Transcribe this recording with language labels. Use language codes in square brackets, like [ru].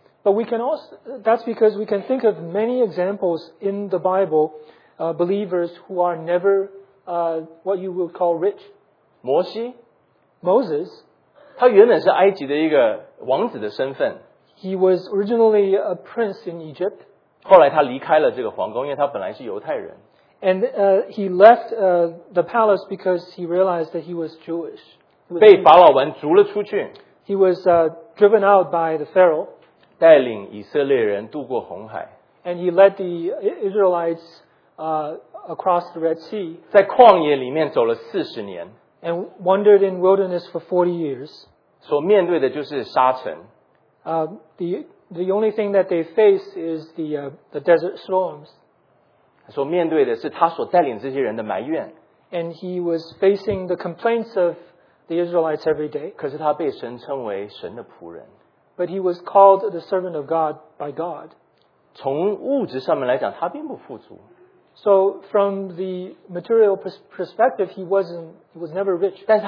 [en] But we can also, that's because we can think of many examples in the Bible, believers who are never what you would call rich. [zh] 摩西, [en] Moses, [zh] 他原本是埃及的一个王子的身份, [en] he was originally a prince in Egypt. [zh] 后来他离开了这个皇宫, 因为他本来是犹太人。 [en] And he left the palace because he realized that he was Jewish. [zh] 被法老王逐了出去, [en] he was driven out by the Pharaoh. [zh] 带领以色列人渡过红海, [en] and he led the Israelites across the Red Sea. [zh] 在旷野里面走了40年, [en] and wandered in wilderness for 40 years. [zh] 所面对的就是沙尘, [en] the only thing that they face is the desert storms. [zh] 所面对的是他所带领这些人的埋怨, [en] and he was facing the complaints of the Israelites every day. [zh] 可是他被神称为神的仆人, [en] but he was called the servant of God by God. [zh] 从物质上面来讲, [en] so from the material perspective, he was never rich.